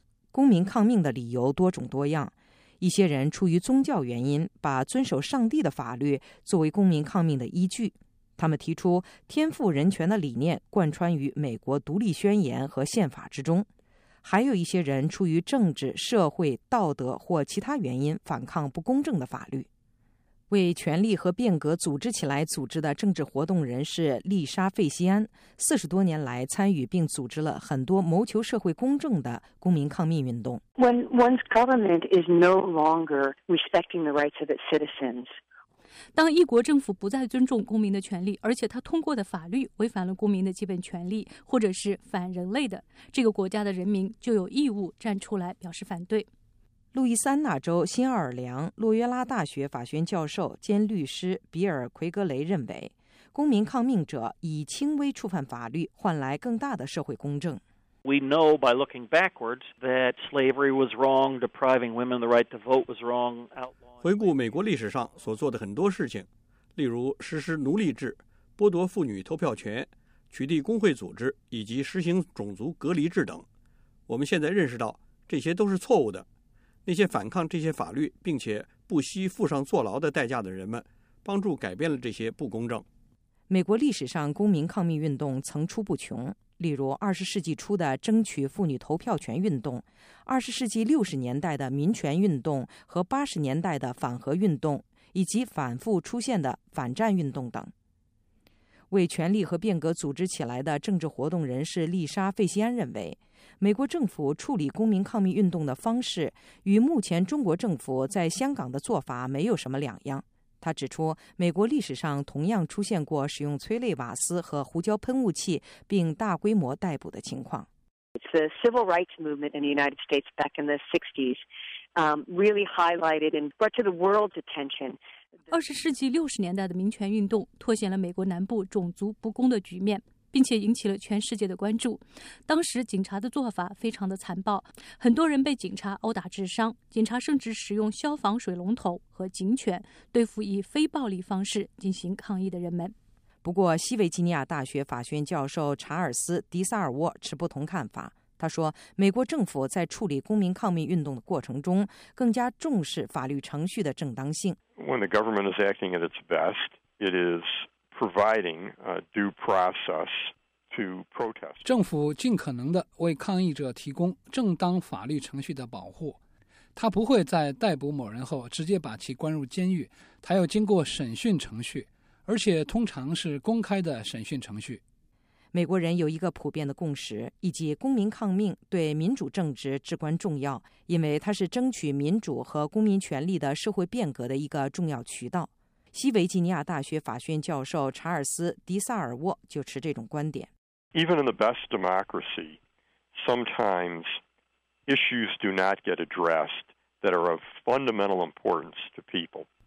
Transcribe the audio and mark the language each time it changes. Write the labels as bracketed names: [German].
[Chinese] 公民抗命的理由多种多样，一些人出于宗教原因把遵守上帝的法律作为公民抗命的依据，他们提出天赋人权的理念贯穿于美国独立宣言和宪法之中，还有一些人出于政治、社会、道德或其他原因反抗不公正的法律。为权力和变革组织起来组织的政治活动人士丽莎·费西安，40多年来参与并组织了很多谋求社会公正的公民抗命运动。 [English] When one's government is no longer respecting the rights of its citizens, [Chinese] 当一国政府不再尊重公民的权利，而且他通过的法律违反了公民的基本权利，或者是反人类的，这个国家的人民就有义务站出来表示反对。路易斯安那州新奥尔良洛约拉大学法学教授兼律师比尔·奎格雷认为，公民抗命者以轻微触犯法律换来更大的社会公正。 [English] We know by looking backwards that slavery was wrong, depriving women the right to vote was wrong. [Chinese] 回顾美国历史上所做的很多事情，例如实施奴隶制、剥夺妇女投票权、取缔工会组织以及实行种族隔离制等，我们现在认识到这些都是错误的。那些反抗这些法律并且不惜付上坐牢的代价的人们，帮助改变了这些不公正。美国历史上公民抗命运动层出不穷，例如20世纪初的争取妇女投票权运动，20世纪60年代的民权运动和80年代的反核运动，以及反复出现的反战运动等。为权力和变革组织起来的政治活动人士丽莎·费西安认为，美国政府处理公民抗命运动的方式与目前中国政府在香港的做法没有什么两样。他指出，美国历史上同样出现过使用催泪瓦斯和胡椒喷雾器并大规模逮捕的情况。 [English] It's the civil rights movement in the United States back in the 60s, really highlighted and brought to the world's attention. [Chinese] 20世纪60年代的民权运动凸显了美国南部种族不公的局面，并且引起了全世界的关注。当时警察的做法非常的残暴，很多人被警察殴打致伤，警察甚至使用消防水龙头和警犬对付以非暴力方式进行抗议的人们。不过西维吉尼亚大学法学教授查尔斯·迪萨尔沃持不同看法，他说美国政府在处理公民抗命运动的过程中更加重视法律程序的正当性。 [English] When the government is acting at its best, it isproviding due process to protest. [Chinese] 政府尽可能的为抗议者提供正当法律程序的保护，他不会在逮捕某人后直接把其关入监狱，他要经过审讯程序，而且通常是公开的审讯程序。美国人有一个普遍的共识，以及公民抗命对民主政治至关重要，因为它是争取民主和公民权利的社会变革的一个重要渠道。西维吉尼亚大学法学教授查尔斯·迪萨尔沃就持这种观点。 [English] Even in the best democracy, sometimes issues do not get addressed that are of fundamental importance to people.